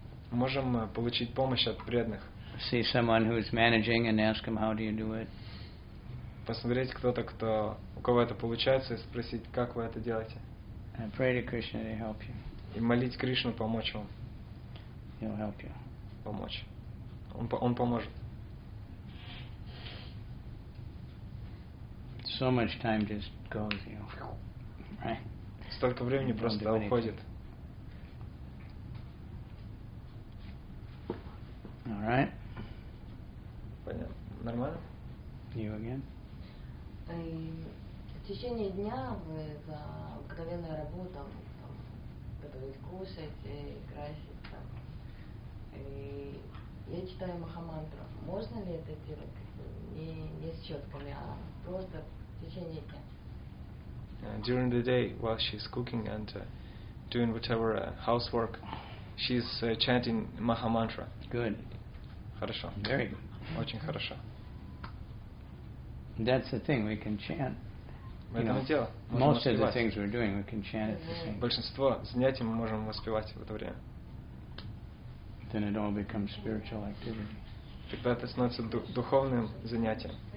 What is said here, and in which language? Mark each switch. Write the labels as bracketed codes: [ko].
[ru] Можем получить помощь от преданных. [en] See someone who's managing and ask him, how do you do it? [ru] Посмотреть кто-то, кто, у кого это получается, и спросить, как вы это делаете. [en] And pray to Krishna to help you. [ru] И молить Кришну помочь вам. [en] He'll help you. [ru] Помочь. Он поможет. [en] So much time just goes, you know. Right? [ru] Столько времени you просто уходит. [en] All right. [ru] Понятно. Нормально? [en] You again? [ru] В течение дня вы за обыкновенную работу готовить, кусать, красить там. И я читаю махамантру. Можно ли это делать не с четками, а просто в течение дня? [en] During the day, while she's cooking and doing whatever housework, she's chanting Mahamantra. Good. [ru] Хорошо. [en] Very good. [ru] Очень хорошо. [en] That's the thing, we can chant. You know, most of the things we're doing, we can chant at the same time. [ru] Большинство занятий мы можем воспевать в это время. [en] Then it all becomes spiritual activity. [ru] Тогда это становится духовным занятием.